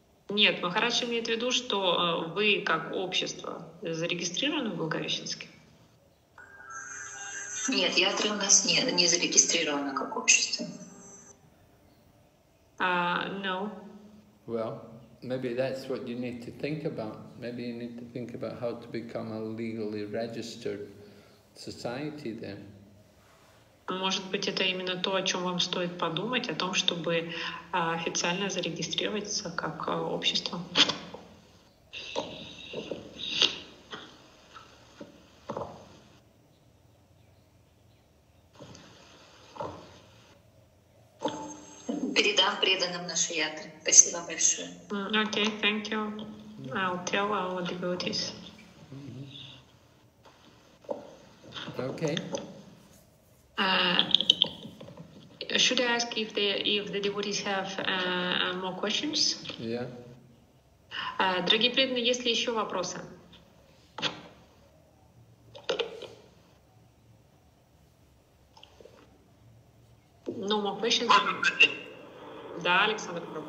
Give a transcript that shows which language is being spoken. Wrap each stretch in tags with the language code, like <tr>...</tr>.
<ru>Нет, Махарадж имеет в виду, что вы как общество зарегистрированы в Благовещенске? Нет, ятра у нас не зарегистрирована как общество.</ru> <en>No. Well, maybe that's what you need to think about. Maybe you need to think about how to become a legally registered society then.</en> <ru>Может быть, это именно то, о чем вам стоит подумать, о том, чтобы официально зарегистрироваться как общество. Передам преданным нашу ятру. Спасибо большое.</ru> <en>Okay, thank you. I'll tell our devotees. Mm-hmm. Okay. Should I ask if the devotees have more questions? Yeah.</en> <ru>Дорогие преданные, есть ли еще вопросы?</ru> <en>No more questions?</en> <ru>Да, Александр.</ru>